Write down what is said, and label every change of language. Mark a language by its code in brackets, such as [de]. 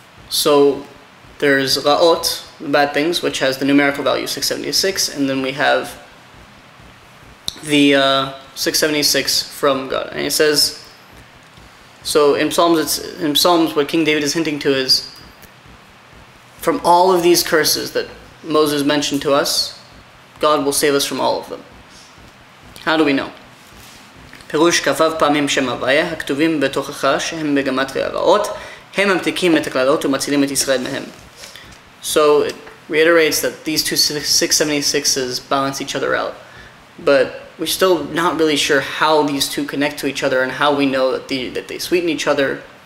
[en] So there's ra'ot, the bad things, which has the numerical value 676, and then we have the 676 from God. And it says, so in Psalms, what King David is hinting to is, from all of these curses that Moses mentioned to us, God will save us from all of them. How do we know? [he] פירוש כפיו פעמים שם הוויה, הכתובים בתוכך שהם בגמטרי הרעות, הם ממתיקים את הכללות ומצילים את ישראל מהם. [en] So it reiterates that these two 676s balance each other out. But we're still not really sure how these two connect to each other and how we know that they sweeten each other.